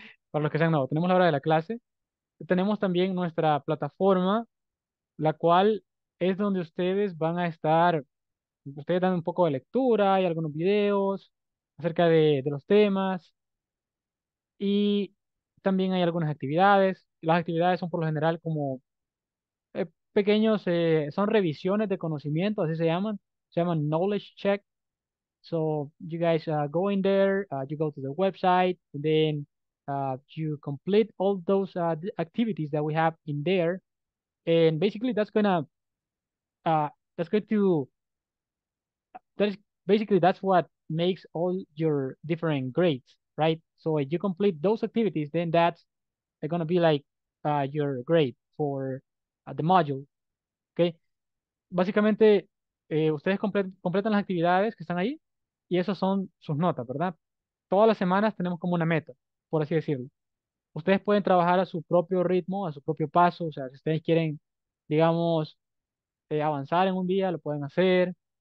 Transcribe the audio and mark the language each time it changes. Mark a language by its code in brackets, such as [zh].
[es] Para los que sean nuevos, tenemos la hora de la clase. Tenemos también nuestra plataforma, la cual es donde ustedes van a estar, ustedes dan un poco de lectura, hay algunos videos acerca de los temas, y también hay algunas actividades. Las actividades son por lo general como pequeños, son revisiones de conocimiento, así se llaman knowledge check. [en] So you guys go in there, you go to the website, and then you complete all those activities that we have in there, and basically that's what makes all your different grades, right? So if you complete those activities, then that's going to be like your grade for the module, okay? [es] Básicamente, ustedes completan las actividades que están ahí y esas son sus notas, ¿verdad? Todas las semanas tenemos como una meta, por así decirlo. Ustedes pueden trabajar a su propio ritmo, a su propio paso. O sea, si ustedes quieren, digamos, avanzar en un día, lo pueden hacer.